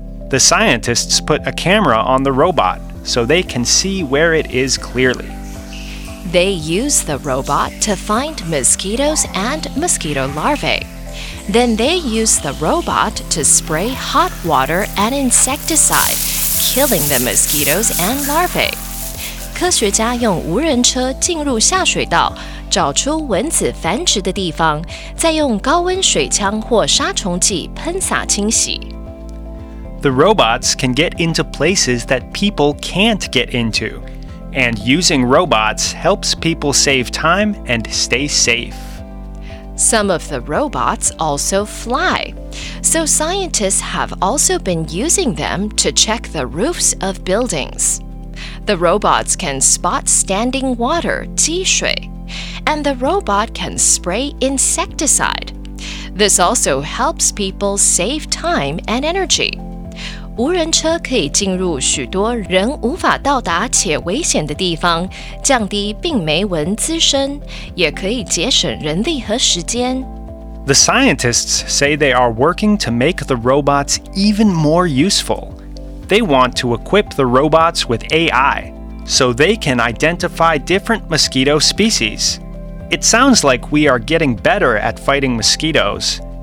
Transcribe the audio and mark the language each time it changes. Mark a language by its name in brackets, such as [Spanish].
[English] The scientists put a camera on the robot so they can see where it is clearly. They use the robot to find mosquitoes and mosquito larvae. Then they use the robot to spray hot water and insecticide, killing the mosquitoes and larvae. [Chinese] 科学家用无人车进入下水道，找出蚊子繁殖的地方，再用高温水枪或杀虫剂喷洒清洗。 [English] The robots can get into places that people can't get into. And using robots helps people save time and stay safe. Some of the robots also fly. So scientists have also been using them to check the roofs of buildings. The robots can spot standing water, 积水, and the robot can spray insecticide. This also helps people save time and energy. [Chinese] 无人车可以进入许多人无法到达且危险的地方，降低病媒蚊滋生，也可以节省人力和时间。 [English] The scientists say they are working to make the robots even more useful. They want to equip the robots with AI, so they can identify different mosquito species. It sounds like we are getting better at fighting mosquitoes.